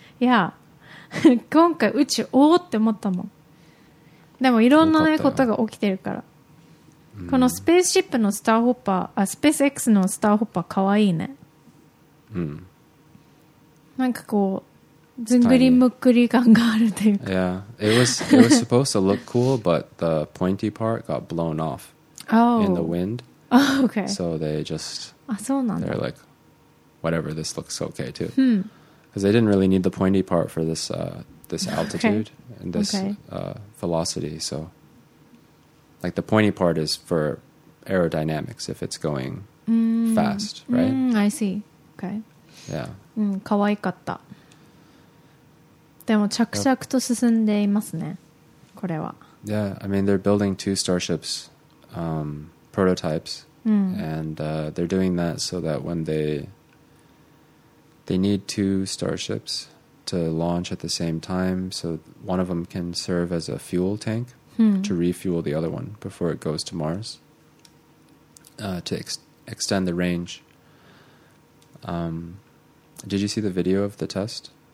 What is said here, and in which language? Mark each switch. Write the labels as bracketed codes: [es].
[ja] いや今回宇宙おーって思ったもん。でもいろんな、ね、ことが起きてるから、このスペースシップのスターホッパー、あ、スペース X のスターホッパーかわいいね。うん、なんかこうずんぐりむっくり感があるというか。 [en] Yeah, it was supposed to look cool, but the pointy part got blown off、 oh. in the wind. Oh, okay. So they just, [ja] あ、そうなんだ。 [en] they're like, whatever, this looks okay too. Because、 they didn't really need the pointy part for this,this altitude、okay. and this、okay. Velocity. So, like the pointy part is for aerodynamics if it's going、fast, right?、 I see. Okay. Yeah. [ja] かわいかった。でも着々と進んでいますね、これは。 [en] Yeah, I mean, they're building two starships、prototypes、and、they're doing that so that when they need two starships to launch at the same time, so one of them can serve as a fuel tank、to refuel the other one before it goes to Mars、to extend the range、did you see the video of the test?